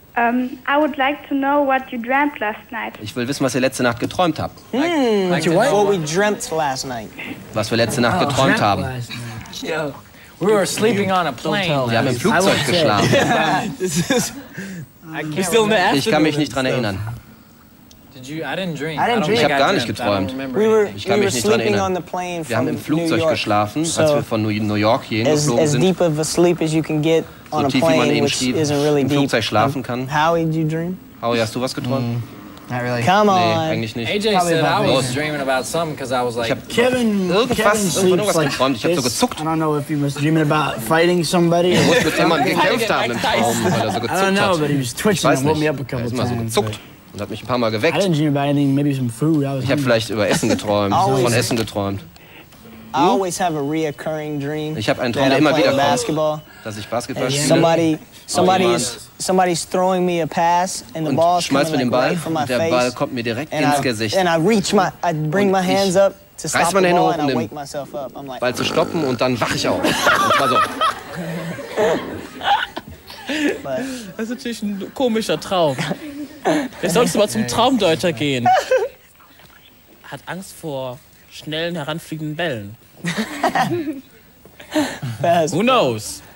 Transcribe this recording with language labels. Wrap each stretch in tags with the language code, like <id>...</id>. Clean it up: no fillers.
<en>I would like to know what you dreamt last night.</en> <de>Ich will wissen, was ihr letzte Nacht geträumt habt.</de> <en>What we dreamt last night.</en> <de>Was wir letzte Nacht geträumt haben.</de> <en>We were sleeping on a plane.</en> <de>Wir haben im Flugzeug geschlafen. Ich kann mich nicht dran erinnern.</de> <en>I didn't dream.</en> <de>Ich habe gar nicht geträumt. Ich kann mich nicht dran erinnern. Wir haben im Flugzeug geschlafen, als wir von New York hier hingeflogen sind.</de> <en>As deep of a sleep as you can get.</en> <de>So tief, wie man eben im Flugzeug schlafen kann.</de> <en>Howie, did you dream?</en> <de>Howie, hast du was geträumt? Mm,</de> <en>not really. Come on.</en> <de>Nee, eigentlich nicht.</de> <en>AJ said I was dreaming about something because I was like,</en> <de>ich habe irgendwas geträumt. Ich habe so gezuckt.</de> <en>I don't know if he was dreaming about fighting somebody.</en> <de>Er muss mit jemandem gekämpft haben im Traum, weil er so gezuckt hat.</de> <en>I don't know, but he was twitching and woke me up a couple times.</en> <de>Er ist immer so gezuckt und hat mich ein paar Mal geweckt.</de> <en>I didn't dream about anything, maybe some food. I was</en> <de>ich habe vielleicht über Essen geträumt, von Essen geträumt.</de> <en>I always have a reoccurring dream.</en> <de>Ich habe einen Traum, der immer wieder kommt, dass ich Basketball spiele.</de> <en>Somebody's throwing me a pass and the ball is coming right from my face.</en> <de>Und der Ball kommt mir direkt ins Gesicht.</de> <en>And I reach my, I bring my hands up to stop the ball and I wake myself up. I'm like,</en> <de>Ball zu stoppen und dann wache ich auf. Und zwar so. Das ist natürlich ein komischer Traum. Jetzt solltest du mal zum Traumdeuter gehen. Hat Angst vor schnellen, heranfliegenden Bällen.</de> <en>Who knows?</en>